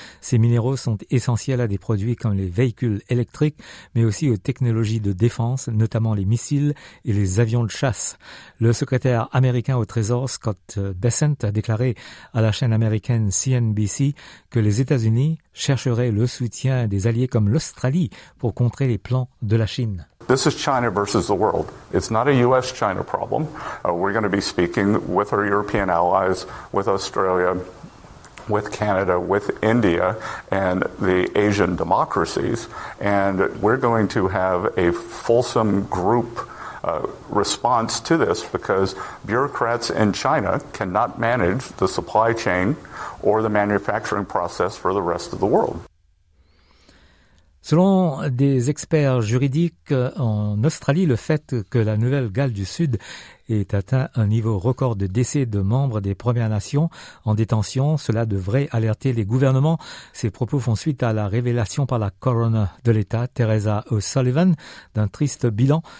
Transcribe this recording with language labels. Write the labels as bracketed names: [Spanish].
[French] Ces minéraux sont essentiels à des produits comme les véhicules électriques, mais aussi aux technologies de défense, notamment les missiles et les avions de chasse. Le secrétaire américain au Trésor, Scott Bessent, a déclaré à la chaîne américaine CNBC que les États-Unis chercheraient le soutien des alliés comme l'Australie pour contrer les plans de la Chine. [English] This is China versus the world. It's not a US-China problem. We're going to be speaking with our European allies, with Australia, with Canada, with India, and the Asian democracies, and we're going to have a fulsome group response to this because bureaucrats in China cannot manage the supply chain or the manufacturing process for the rest of the world. [French] Selon des experts juridiques en Australie, le fait que la Nouvelle-Galles du Sud ait atteint un niveau record de décès de membres des Premières Nations en détention, cela devrait alerter les gouvernements. Ces propos font suite à la révélation par la coroner de l'État, Teresa O'Sullivan, d'un triste bilan.